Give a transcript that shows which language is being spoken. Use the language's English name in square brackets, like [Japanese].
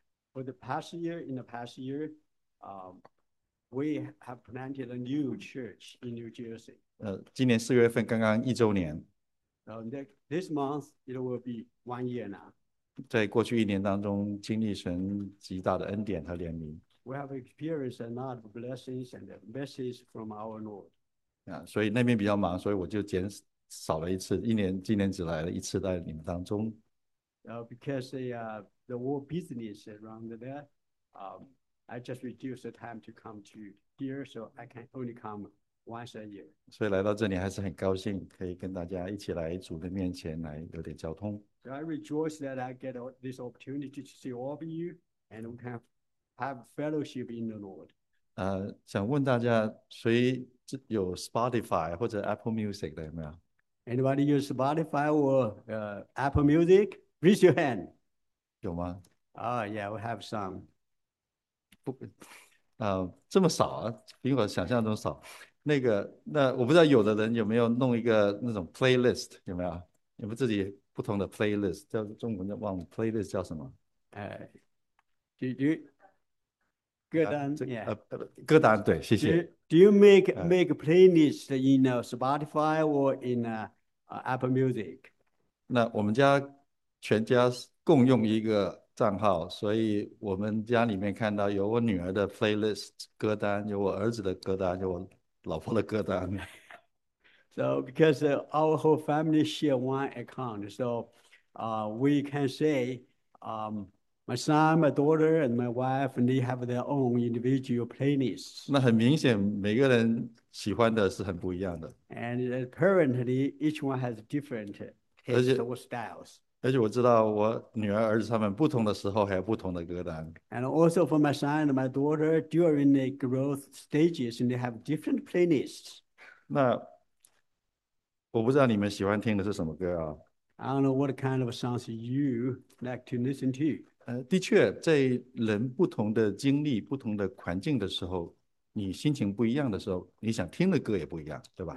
[English] For the past year, in the past year, we have planted a new church in New Jersey. [Chinese] 今年4月份刚刚1周年。 [English] This month, it will be 1 year now. [Chinese] 在过去一年当中，经历神极大的恩典和怜悯。 [English] We have experienced a lot of blessings and messages from our Lord. [Chinese] 所以那边比较忙，所以我就减少了一次，一年今年只来了一次在你们当中。 [English] Because the whole business around there, I just reduced the time to come to here, so I can only come once a year. [Chinese] 所以来到这里还是很高兴，可以跟大家一起来主的面前来有点交通。 [English] So I rejoice that I get this opportunity to see all of you and we can have fellowship in the Lord. [Chinese] 想问大家，谁有 Spotify 或者 Apple Music 的有没有？ [English] Anybody use Spotify or Apple Music? Raise your hand. [Chinese] 有吗？ [English] Oh, yeah, we have some. [Chinese] 不，这么少啊，比我想象中少。那我不知道有的人有没有弄一个那种 playlist，有没有？你们自己不同的 playlist，叫中文的忘了 playlist 叫什么？ [English] Did you good on yeah? [Chinese] 歌单，对，谢谢。 [English] Do you make a playlist in Spotify or in Apple Music? [Chinese] 那我们家全家共用一个账号，所以我们家里面看到有我女儿的 playlist 歌单，有我儿子的歌单，有我老婆的歌单。 [English] So, because our whole family share one account, so we can say my son, my daughter, and my wife, they have their own individual playlists. [Chinese] 那很明显，每个人喜欢的是很不一样的。 [English] And apparently, each one has different tastes or styles. [Chinese] 而且我知道，我女儿、儿子他们不同的时候还有不同的歌单。 [English] And also, for my son and my daughter, during the growth stages, they have different playlists. [Chinese] 那我不知道你们喜欢听的是什么歌 [English] I don't know what kind of songs you like to listen to. 啊？ [Chinese] 的确，在人不同的经历、不同的环境的时候，你心情不一样的时候，你想听的歌也不一样，对吧？